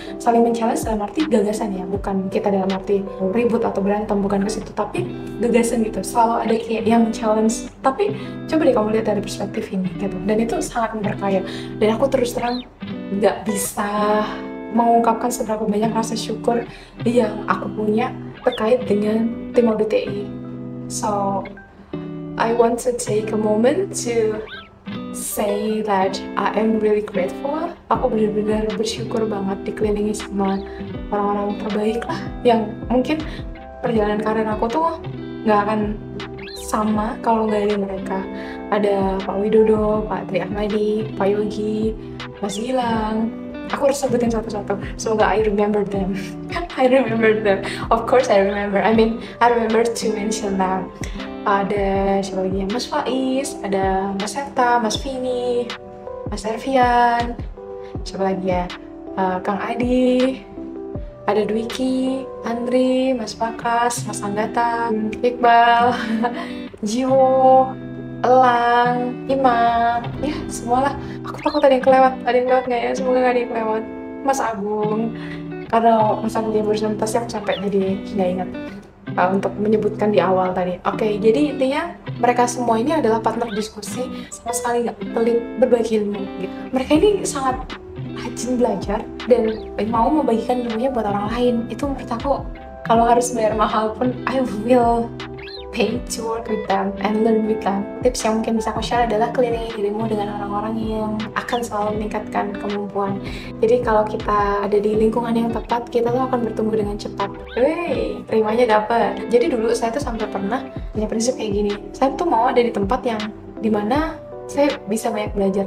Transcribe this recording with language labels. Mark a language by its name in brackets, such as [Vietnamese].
[Indonesian] Saling men-challenge dalam arti gagasan ya, bukan kita dalam arti ribut atau berantem, bukan ke situ, tapi gagasan gitu. Selalu ada kayak yang men-challenge, tapi coba deh kamu lihat dari perspektif ini gitu. Dan itu sangat memperkaya. Dan aku terus terang gak bisa mengungkapkan seberapa banyak rasa syukur yang aku punya terkait dengan tim ODTI. [English] So, I want to take a moment to say that I am really grateful. [Indonesian] Aku benar-benar bersyukur banget dikelilingi sama orang-orang terbaik lah. Yang mungkin perjalanan karir aku tuh nggak akan sama kalau nggak ada mereka. Ada Pak Widodo, Pak Tri Ahmadi, Pak Yogi, Mas Gilang. Aku harus sebutin satu-satu. Semoga [English] I remember them. I remember them. Of course I remember. I remember to mention them. [Indonesian] Ada siapa lagi ya, Mas Faiz, ada Mas Serta, Mas Vini, Mas Ervian, siapa lagi ya, Kang Adi, ada Dwiki, Andri, Mas Pakas, Mas Anggata, Iqbal, Jiwo, Elang, Imam, ya semualah. Aku takut ada yang kelewat nggak ya, semoga nggak ada yang kelewat. Mas Agung, kalau Mas Agung dia berusaha mentas ya aku capek jadi nggak ingat. Untuk menyebutkan di awal tadi. Oke, jadi intinya mereka semua ini adalah partner diskusi, sama sekali nggak pelit berbagi ilmu. Gitu. Mereka ini sangat rajin belajar dan mau membagikan ilmunya buat orang lain. Itu menurut aku kalau harus bayar mahal pun [English] I will pay to work with them and learn with them. [Indonesian] Tips yang mungkin bisa aku share adalah kelilingi dirimu dengan orang-orang yang akan selalu meningkatkan kemampuan. Jadi kalau kita ada di lingkungan yang tepat, kita tuh akan bertumbuh dengan cepat. Wey, terimanya dapet. Jadi dulu saya tuh sampai pernah punya prinsip kayak gini. Saya tuh mau ada di tempat yang dimana saya bisa banyak belajar.